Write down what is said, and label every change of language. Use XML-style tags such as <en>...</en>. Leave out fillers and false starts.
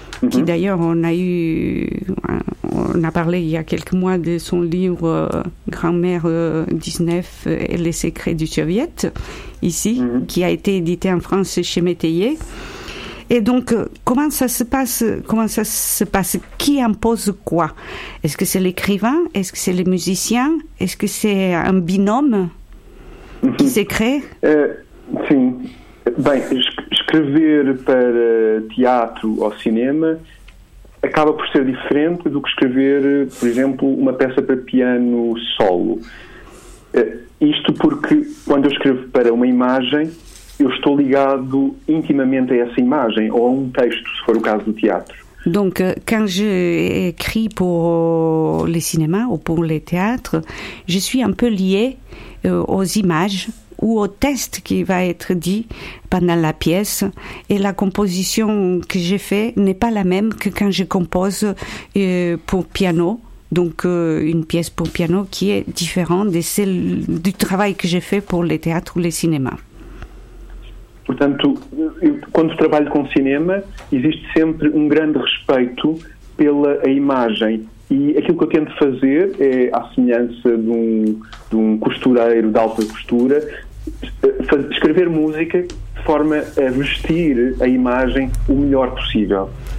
<fr>qui d'ailleurs on a parlé il y a quelques mois de son livre Grand-mère 19 et les secrets du Soviet, ici, qui a été édité en France chez Métayer. Et donc, comment ça se passe? Qui impose quoi? Est-ce que c'est l'écrivain? Est-ce que c'est les musiciens? Est-ce que c'est un binôme qui s'est créé?</fr> <pt>Sim. Bem, escrever para teatro ou cinema acaba por ser diferente do que escrever, por exemplo, uma peça para piano solo. Isto porque quando eu escrevo para uma imagem, eu estou ligado intimamente a essa imagem, ou a um texto, se for o caso do teatro.</pt> <fr>Donc, quand je écris pour les cinémas ou pour les théâtres, je suis un peu lié aux images ou au texte qui va être dit pendant la pièce, et la composition que j'ai faite n'est pas la même que quand je compose pour piano. Donc une pièce pour piano qui est différente de celle du travail que j'ai fait pour les théâtres ou les cinémas.</fr> <pt>Portanto, quando trabalho com cinema, existe sempre um grande respeito pela imagem. E aquilo que eu tento fazer é, à semelhança de um costureiro de alta costura, escrever música de forma a vestir a imagem o melhor possível.</pt>